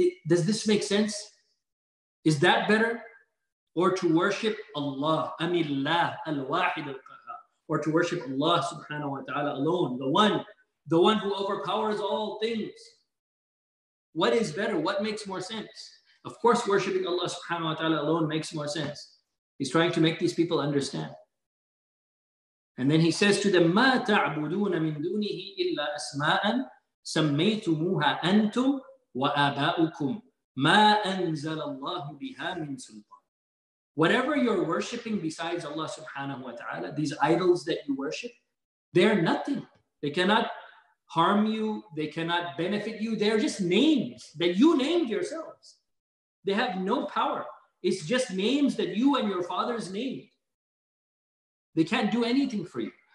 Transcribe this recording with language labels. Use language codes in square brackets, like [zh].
[en] Does this make sense? Is that better? Or to worship Allah, [ar] Amillah al-Wahid al-Qahar, [en] or to worship Allah subhanahu wa ta'ala alone, the one who overpowers all things. What is better? What makes more sense? Of course, worshiping Allah subhanahu wa ta'ala alone makes more sense. He's trying to make these people understand. And then he says to them, [ar] مَا تَعْبُدُونَ مِن دُونِهِ إِلَّا أَسْمَاءً سَمَّيْتُمُوهَا أَنْتُمْ وَآبَاؤُكُمْ مَا أَنزَلَ اللَّهُ بِهَا مِن سُلْطَانٍ. [en] Whatever you're worshipping besides Allah subhanahu wa ta'ala, these idols that you worship, they're nothing. They cannot harm you. They cannot benefit you. They're just names that you named yourselves. They have no power. It's just names that you and your fathers named. They can't do anything for you.